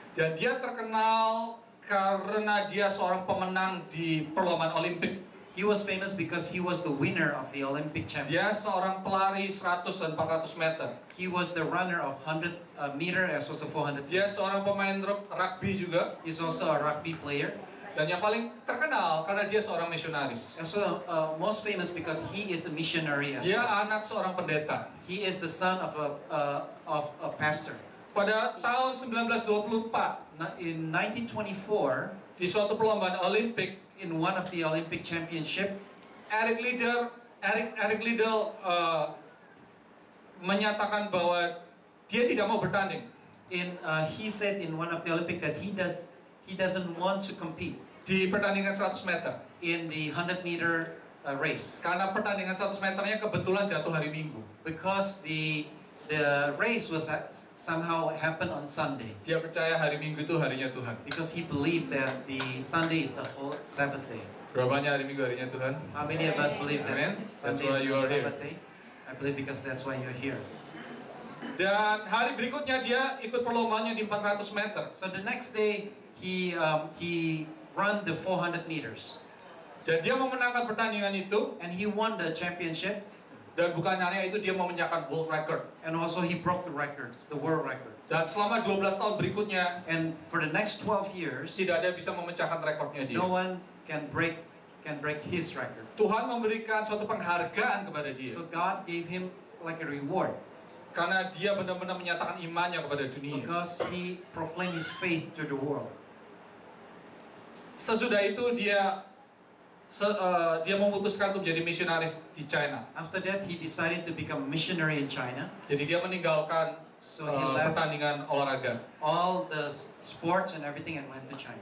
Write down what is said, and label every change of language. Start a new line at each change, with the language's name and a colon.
Indonesian: Dan dia terkenal karena dia seorang pemenang di perlombaan Olimpik.
English: He was famous because he was the winner of the Olympic champion.
Indonesian: Dia seorang pelari 100 dan 400 meter.
English: He was the runner of 100 meter as well as 400.
Indonesian: Dia seorang pemain rugby juga.
English: He's also a rugby player.
Indonesian: Dan yang paling terkenal karena dia seorang misionaris.
English: So most famous because he is a missionary as well.
Indonesian: Dia anak seorang pendeta.
English: He is the son of a pastor.
Indonesian: Pada tahun 1924,
English: in 1924,
Indonesian: di suatu perlombaan Olimpik,
English: in one of the Olympic championship,
Indonesian: Eric Liddell menyatakan bahwa dia tidak mau bertanding.
English: He said in one of the Olympic that he doesn't want to compete.
Indonesian: Di pertandingan 100 meter.
English: In the 100 meter race.
Indonesian: Karena pertandingan 100 meternya kebetulan jatuh hari Minggu.
English: Because the race was somehow happened on Sunday.
Indonesian: Dia percaya hari Minggu itu harinya Tuhan.
English: Because he believed that the Sunday is the whole Sabbath day.
Indonesian: Berapa banyak hari Minggu harinya Tuhan?
English: How many of us believe that? Amen. That's why you are here. I believe because that's why you're here.
Indonesian: Dan hari berikutnya dia ikut perlombaan yang di 400 meter.
English: So the next day he run the 400 meters.
Indonesian: Dan dia memenangkan pertandingan itu.
English: And he won the championship.
Indonesian: Dan bukan hanya itu, dia memecahkan
English: world record. And also he broke the record, the world record.
Indonesian: Dan selama 12 tahun berikutnya,
English: and for the next 12 years,
Indonesian: tidak ada yang bisa memecahkan rekornya dia.
English: No one can break his record.
Indonesian: Tuhan memberikan suatu penghargaan kepada dia.
English: So God gave him like a reward.
Indonesian: Karena dia benar-benar menyatakan imannya kepada dunia.
English: Because he proclaimed his faith to the world.
Indonesian: Sesudah itu dia dia memutuskan untuk menjadi misionaris di China.
English: After that, he decided to become a missionary in China.
Indonesian: Jadi dia meninggalkan pertandingan olahraga.
English: All the sports and everything and went to China.